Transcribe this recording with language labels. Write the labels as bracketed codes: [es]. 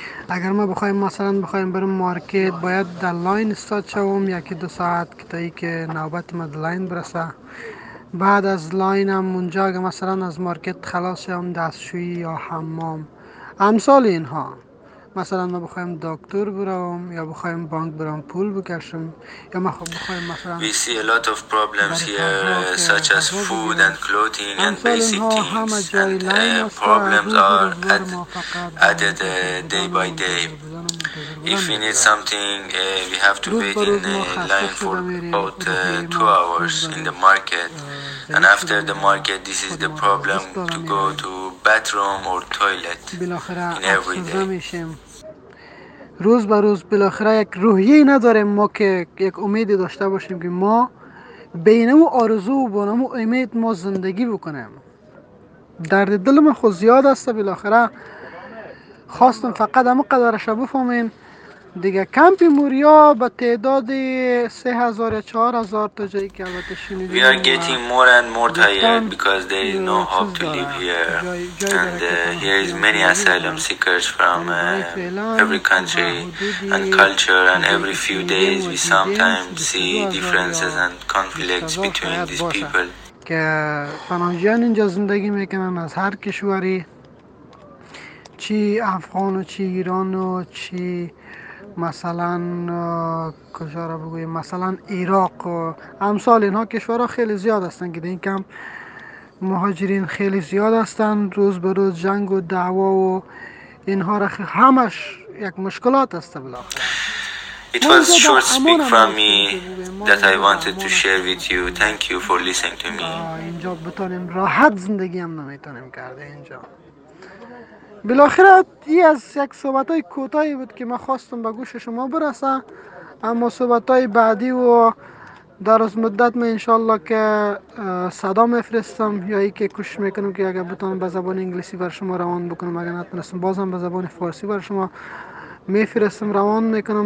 [fa] اگر ما بخوایم مثلا بخوایم بریم مارکت باید در لاین استاد شوم یکی دو ساعت که تایی که نوبت ما در لاین برسه. بعد از لاین هم اونجا اگر مثلا از مارکت خلاص شوم دستشویی یا حمام امثال اینها. مثلا ما بخوایم دکتر برویم یا بخوایم بانک برویم پول بکشم یا ما بخوایم مثلا [en] we see a lot of problems here such as food and clothing and basic things and problems are added day by day. If we need something we have to wait in line for about 2 hours in the market and after the market this is the problem to go to bathroom or toilet in every day. [fa] روز به روز بالاخره یک روحیه نداریم ما که یک امیدی داشته باشیم که ما بین او آرزو و بین او امید ما زندگی بکنیم. درد دل ما خود زیاد است. بالاخره خواستم فقط همه قدرش را بفهمین. دیگه کمپ موریا به تعداد 3000 یا 4000 تا جایی که البته شنیدیم. [en] We are getting more and more tired because there is no hope to live here. And here is many asylum seekers from every country and culture and every few days we sometimes see differences and conflicts between these people. [fa] که پناهجویان اینجا زندگی میکنن از هر کشوری چی افغان و چی ایران و چی مثلا کجا را بگویم مثلا عراق و امثال اینها کشورها خیلی زیاد هستند که در این کم مهاجرین خیلی زیاد هستند. روز به روز جنگ و دعوا و اینها را همش یک مشکلات است. بالاخره [en] It was short speak from me that I wanted to share with you. Thank you for listening to me. [fa] اینجا بتانیم راحت زندگی هم نمیتانیم کرده اینجا. بالاخره ای از یک صحبت های کوتاهی بود که من خواستم به گوش شما برسم. اما صحبت های بعدی و در از مدت من انشالله که صدا میفرستم یا ای که کوشش میکنم که اگر بتانم به زبان انگلیسی بر شما روان بکنم اگر نتونستم بازم به زبان فارسی بر شما میفرستم روان میکنم.